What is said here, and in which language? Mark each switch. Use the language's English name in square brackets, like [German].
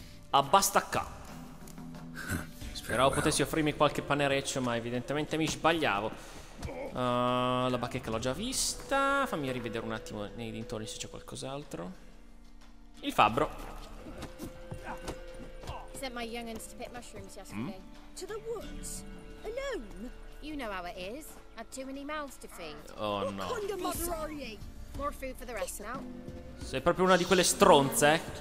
[Italian] Abbasta qua. Speravo potessi offrirmi qualche panereccio, ma evidentemente mi sbagliavo. La bacheca l'ho già vista. Fammi rivedere un attimo nei dintorni se c'è qualcos'altro. Il fabbro. [English] Sent my youngins to pick mushrooms yesterday. To the woods. Alone. You know how it is. Had too many mouths to feed. Oh no. What kind of mother are you? More food for the rest now. [Italian] Sei proprio una di quelle stronze.